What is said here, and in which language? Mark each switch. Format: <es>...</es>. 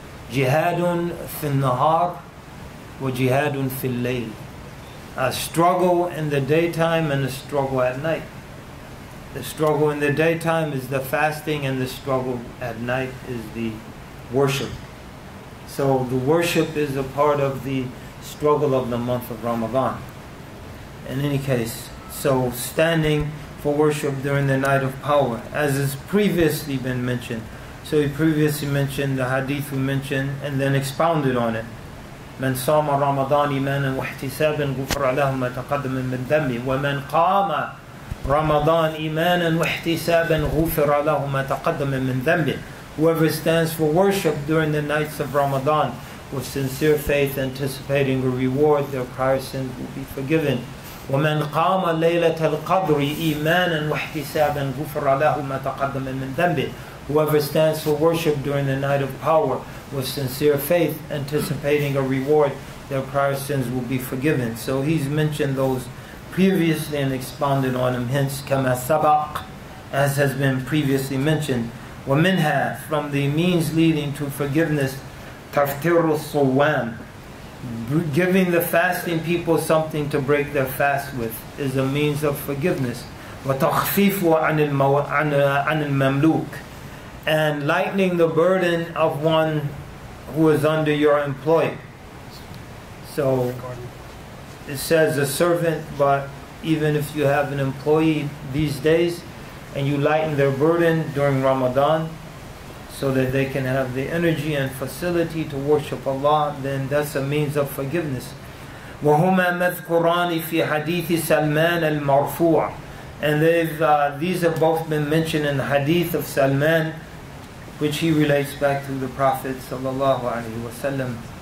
<ar>جهاد في النهار وجهاد في الليل.</ar> <en>A struggle in the daytime and a struggle at night. The struggle in the daytime is the fasting, and the struggle at night is the worship. So the worship is a part of the struggle of the month of Ramadan. In any case, so standing for worship during the night of power, as has previously been mentioned. So he previously mentioned the hadith we mentioned, and then expounded on it.</en> <ar>من صام رمضان إيمانا واحتسابا غفر له ما تقدم من ذنبه ومن قام رمضان إيمانا واحتسابا غفر له ما تقدم من ذنبه.</ar> <en>Whoever stands for worship during the nights of Ramadan with sincere faith, anticipating a reward, their prior sins will be forgiven.</en> <ar>ومن قام ليلة القدر إيمانا واحتسابا غفر له ما تقدم من ذنبه.</ar> <en>Whoever stands for worship during the night of power with sincere faith, anticipating a reward, their prior sins will be forgiven. So he's mentioned those previously and expounded on him, hence</en> <ar>kama sabaq,</ar> <en>as has been previously mentioned.</en> <ar>Wa minha,</ar> <en>from the means leading to forgiveness,</en> <ar>taftiru sawam,</ar> <en>giving the fasting people something to break their fast with is a means of forgiveness.</en> <ar>Wa takhfifu an al mamluk,</ar> <en>and lightening the burden of one who is under your employ. So it says a servant, but even if you have an employee these days and you lighten their burden during Ramadan so that they can have the energy and facility to worship Allah, then that's a means of forgiveness.</en> <ar>وهما مذكوران في حديث سلمان المرفوع.</ar> <en>And these have both been mentioned in the hadith of Salman, which he relates back to the Prophet sallallahu alaihi wasallam.</en>